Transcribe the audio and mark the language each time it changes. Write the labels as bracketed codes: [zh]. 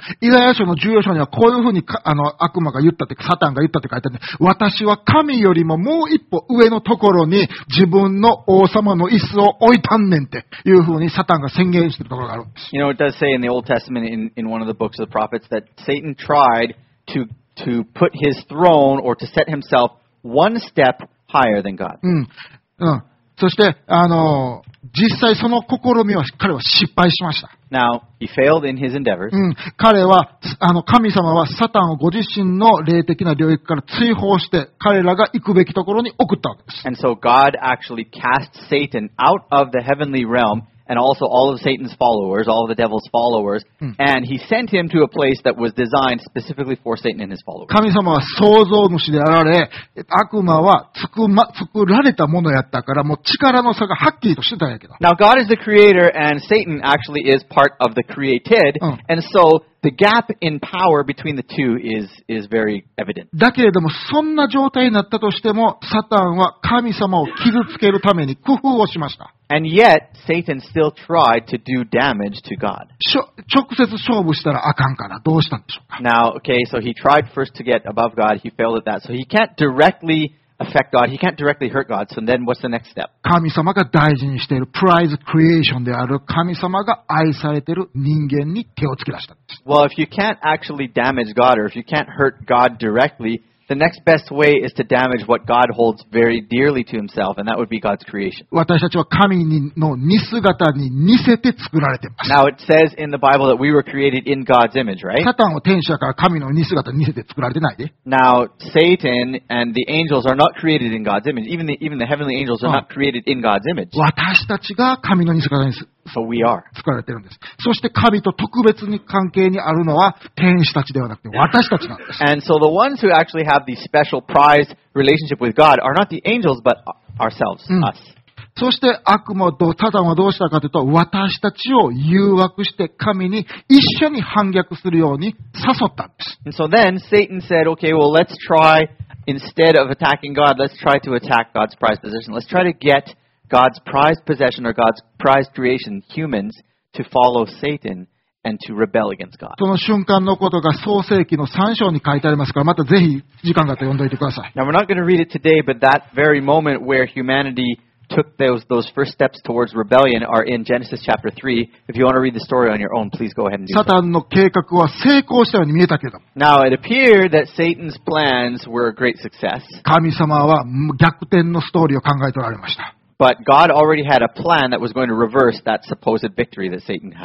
[ja] イザヤ書の14章にはこういうふうに悪魔が言ったって、サタンが言ったって書いてあるんで、私は神よりももう一歩上のところに自分の王様の椅子を置いたんねんっていうふうにサタンが宣言してるところがあるんです。 [en] You know, it does say in the Old Testament in one of the books of the prophets that Satan tried to put his throne or to set himself one step higher than God. [ja] そして実際その試みは彼は失敗しました。 [en] Now, he failed in his endeavors. [ja] 彼は神様はサタンをご自身の霊的な領域から追放して彼らが行くべきところに送ったわけです。 [en] And so God actually cast Satan out of the heavenly realm and also all of Satan's followers, all of the devil's followers, and he sent him to a place that was designed specifically for Satan and his followers. [ja] 神様は創造主であられ、悪魔は作られたものやったから、もう力の差がはっきりとしてたんやけど。 [en] Now God is the creator and Satan actually is part of the created, and so the gap in power between the two is very evident. [ja] だけれどもそんな状態になったとしても、サタンは神様を傷つけるために工夫をしました。 [en] And yet, Satan still tried to do damage to God. [ja] 直接勝負したらあかんから、どうしたんでしょうか? [en] Now, okay, so he tried first to get above God. He failed at that. So he can't directly affect God. He can't directly hurt God. So then what's the next step? [ja] 神様が大事にしている [en] prize creation [ja] である神様が愛されている人間に手をつけ出したんです。 [en] Well, if you can't actually damage God or if you can't hurt God directly,The next best way is to damage what God holds very dearly to himself, and that would be God's creation. [ja] 私たちは神の似姿に似せて作られてます。 [en] Now it says in the Bible that we were created in God's image, right? [ja] サタンは天使だから神の似姿に似せて作られてないで。 [en] Now, Satan and the angels are not created in God's image. Even the heavenly angels are not created in God's image. [ja] 私たちが神の似姿に [en] So we are. [ja] 作られてるんです。そして神と特別に関係にあるのは天使たちではなくて私たちなんです。 [en] And so the ones who actually have the special prized relationship with God are not the angels but ourselves, us. [ja] そして悪魔とサタンはどうしたかというと私たちを誘惑して神に一緒に反逆するように誘ったんです。 [en] And so then Satan said, okay, well let's try instead of attacking God, let's try to attack God's prized position. Let's try to get God's prized possession or God's prized creation, humans, to follow Satan. And to rebel against God. [ja] その瞬間のことが創世記の3章に書いてありますから、またぜひ時間があったら読んでおいてください。 [en] Now we're not going to read it today, but that very moment where humanity took those first steps towards rebellion are in Genesis chapter 3. If you want to read the story on your own, please go ahead and do [ja] it. サタンの計画は成功したように見えたけど。 [en] Now it appeared that Satan's plans were a great success. [ja] 神様は逆転のストーリーを考えておられました。 [en] But God already had a plan that was going to reverse that supposed victory that Satan had.